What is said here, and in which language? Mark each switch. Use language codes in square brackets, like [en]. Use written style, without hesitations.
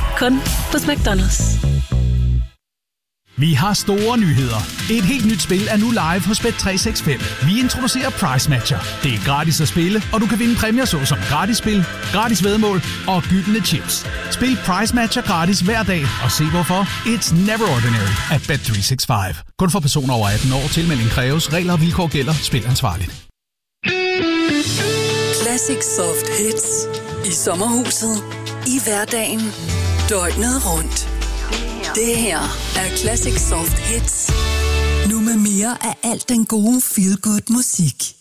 [da] Kun hos McDonald's. Vi har store nyheder. Et helt nyt spil er nu live hos Bet365. Vi introducerer Price Matcher. Det er gratis at spille, og du kan vinde præmier såsom gratis spil, gratis væddemål og gyldne chips. Spil Price Matcher gratis hver dag og se hvorfor. [en] It's never ordinary at Bet365. [da] Kun for personer over 18 år. Tilmelding kræves. Regler og vilkår gælder. Spil ansvarligt. Classic Soft Hits. I sommerhuset. I hverdagen. Døgnet rundt. Det her er Classic Soft Hits. Nu med mere af alt den gode feel-good musik.